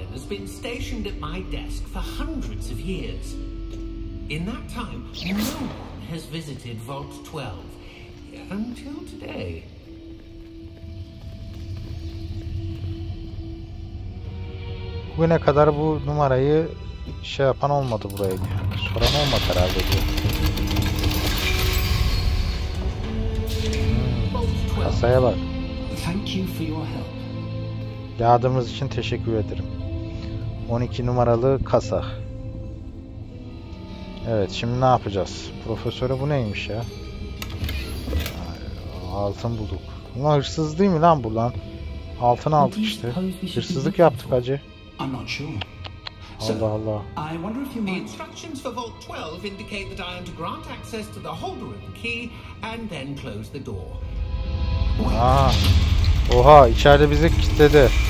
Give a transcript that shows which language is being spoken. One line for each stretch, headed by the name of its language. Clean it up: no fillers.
English: Been stationed at my desk for hundreds of years. In that time, no one has visited Vault 12 until today.
Turkish: Bugüne kadar bu numarayı şey yapan olmadı buraya. Soran olmadı herhalde. Kasaya bak.
English: Thank you for your help.
Turkish: Yardımınız için teşekkür ederim. 12 numaralı kasa. Evet, şimdi ne yapacağız? Profesöre bu neymiş ya? Altın bulduk. Ulan hırsız değil mi lan bu lan? Altın aldık işte. Hırsızlık yaptık hacı. Allah Allah.
English: I wonder if the instructions for Vault 12 indicate that I am to grant access to the holder of the key and then close the door. Aa.
Turkish: Oha, içeride bizi kilitledi.